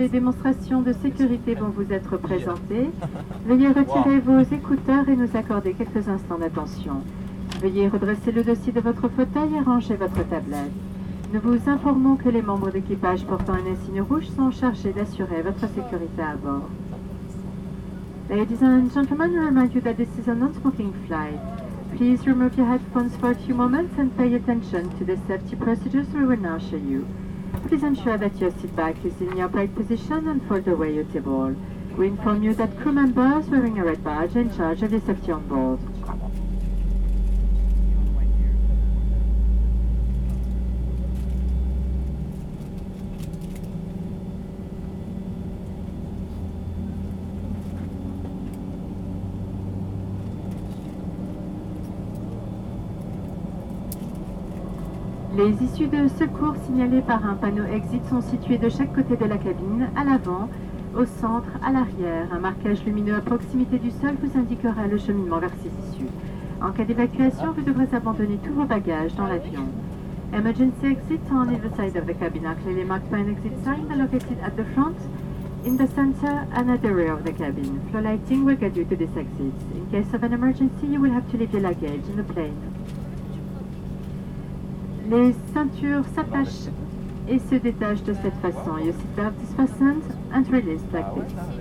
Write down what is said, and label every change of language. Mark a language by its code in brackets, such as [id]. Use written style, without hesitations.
[fr] Les démonstrations de sécurité vont vous être présentées. Veuillez retirer vos écouteurs et nous accorder quelques instants d'attention. Veuillez redresser le dossier de votre fauteuil et ranger votre tablette. Nous vous informons que les membres d'équipage portant un insigne rouge sont chargés d'assurer votre sécurité à bord. [en] Ladies and gentlemen, I remind you that this is a non-smoking flight. Please remove your headphones for a few moments and pay attention to the safety procedures we will now show you. Please ensure that your seat back is in your upright position and fold away your table. We inform you that crew members wearing a red badge are in charge of the safety on board. [fr] Les issues de secours signalées par un panneau exit sont situées de chaque côté de la cabine, à l'avant, au centre, à l'arrière. Un marquage lumineux à proximité du sol vous indiquera le cheminement vers ces issues. En cas d'évacuation, vous devrez abandonner tous vos bagages dans l'avion. [en] Emergency exits on either side of the cabin are clearly marked by an exit sign located at the front, in the center and at the rear of the cabin. Floor lighting will guide you to these exits. In case of an emergency, you will have to leave your luggage in the plane. [fr] Les ceintures s'attachent et se détachent de cette façon. [en] Your seatbelt is fastened and released like this.